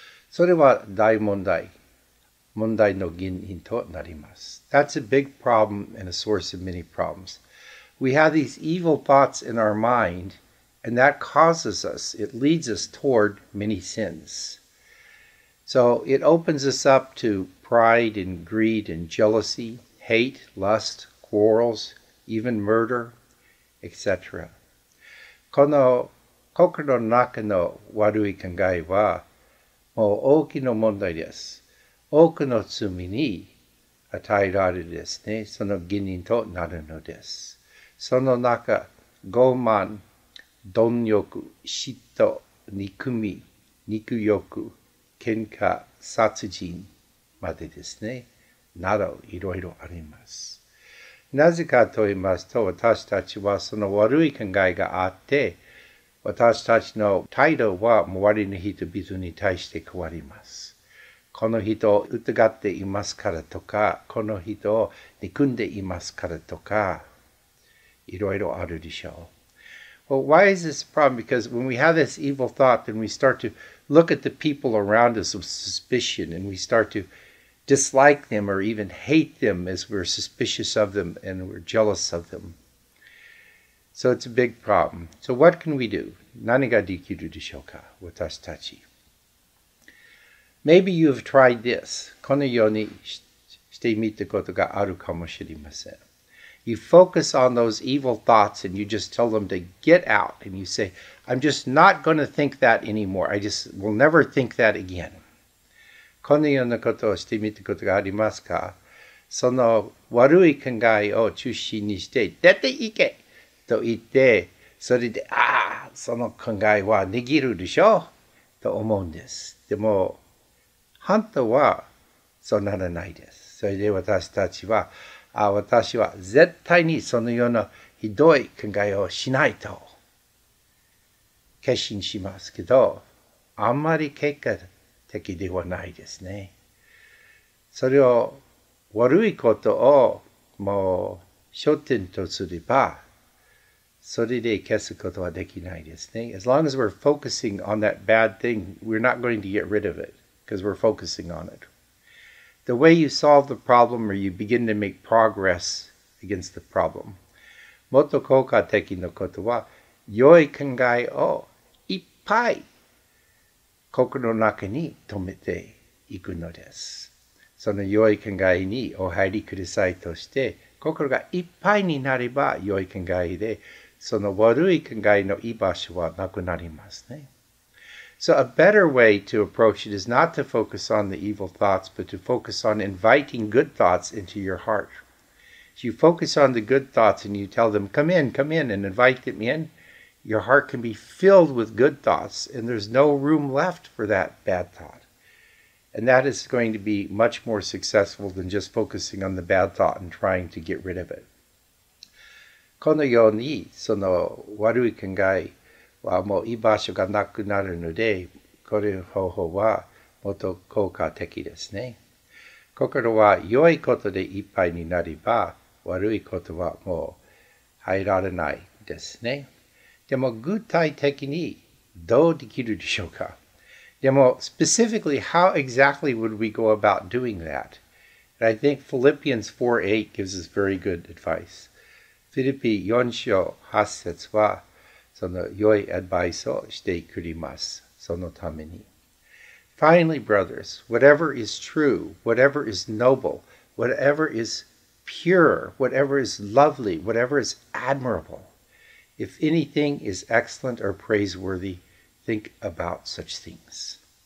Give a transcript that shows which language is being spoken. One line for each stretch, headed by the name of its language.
Japanese: それは大問題。問題の原因となります。
English: That's a big problem and a source of many problems. We have these evil thoughts in our mind, and that causes us, it leads us toward many sins. So it opens us up to pride and greed and jealousy, hate, lust, quarrels, even murder, etc.
Japanese: この心の中の悪い考えはもう大きな問題です。多くの罪に与えられですね、その原因となるのです。その中、傲慢、貪欲、嫉妬、憎み、肉欲、喧嘩、殺人までですね、などいろいろあります。なぜかと言いますと、私たちはその悪い考えがあって、私たちの態度は周りの人々に対して変わります。この人を疑っていますからとか、この人を憎んでいますからとか、いろいろあるでしょう。
English: Well, why is this a problem? Because when we have this evil thought, then we start to look at the people around us with suspicion, and we start to dislike them or even hate them as we're suspicious of them and we're jealous of them. So it's a big problem. So what can we do?
Japanese: 何ができるでしょうか、私たち。
English: Maybe you've tried this.
Japanese: このようにしてみたことがあるかもしれません。
English: You focus on those evil thoughts and you just tell them to get out. And you say, I'm just not going to think that anymore. I just will never think that again.
Japanese: このようなことをしてみたことがありますか?その悪い考えを中心にして、出ていけと言って、それで、ああ、その考えは逃げるでしょうと思うんです。でも、本当はそうならないです。それで私たちは、私は絶対にそのようなひどい考えをしないと決心しますけど、あんまり結果的ではないですね。それを悪いことをもう焦点とすれば、それで消すことはできないですね。
English: As long as we're focusing on that bad thing, we're not going to get rid of it because we're focusing on it. The way you solve the problem or you begin to make progress against the problem.
Japanese: もっと効果的なことは、良い考えをいっぱい心の中に留めていくのです。その良い考えにお入りくださいとして、心がいっぱいになれば良い考えで、その悪い考えの居場所はなくなりますね。
English: So a better way to approach it is not to focus on the evil thoughts, but to focus on inviting good thoughts into your heart. If you focus on the good thoughts and you tell them, come in, come in, and invite them in, your heart can be filled with good thoughts, and there's no room left for that bad thought. And that is going to be much more successful than just focusing on the bad thought and trying to get rid of it.
Japanese: このようにその悪い考えはもう居場所がなくなるので、これの方法はもっと効果的ですね。心は良いことでいっぱいになれば、悪いことはもう入られないですね。でも具体的にどうできるでしょうか？でも
English: specifically, how exactly would we go about doing that? And I think Philippians 4:8 gives us very good advice.
Japanese: フィリピ4章8節はその良いアドバイスをしてくれます。そのために。
English: Finally, brothers, whatever is true, whatever is noble, whatever is pure, whatever is lovely, whatever is admirable, if anything is excellent or praiseworthy, think about such things.